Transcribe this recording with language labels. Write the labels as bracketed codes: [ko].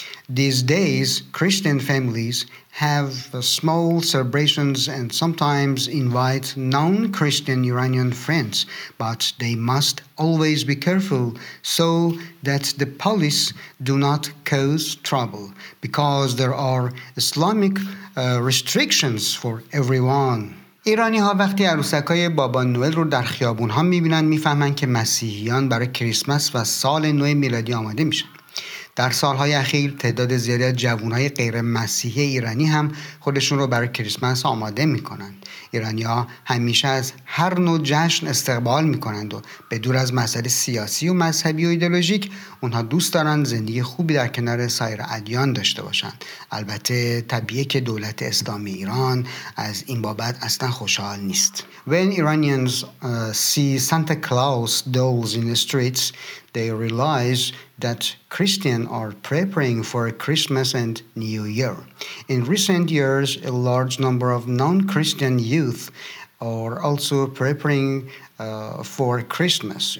[en] These days, Christian families have small celebrations and sometimes invite non-Christian Iranian friends, but they must always be careful so that the police do not cause trouble, because there are Islamic restrictions for everyone. [fa] ایرانی ها وقتی عروسک های بابا نوئل رو در خیابون ها میبینن میفهمن که مسیحیان برای کریسمس و سال نو میلادی آماده میشن. در سالهای اخیر تعداد زیادی از جوانهای غیر مسیحی ایرانی هم خودشون رو برای کریسمس آماده می کنند. ایرانی ها همیشه از هر نوع جشن استقبال می کنند و به دور از مسئله سیاسی و مذهبی و ایدئولوژیک اونها دوست دارند زندگی خوبی در کنار سایر ادیان داشته باشند. البته طبیعه که دولت اسلامی ایران از این بابت اصلا خوشحال نیست. [en] When Iranians see Santa Claus dolls in the streets, they realize that Christians are preparing for Christmas and New Year. In recent years, a large number of non-Christian youth are also preparing for Christmas.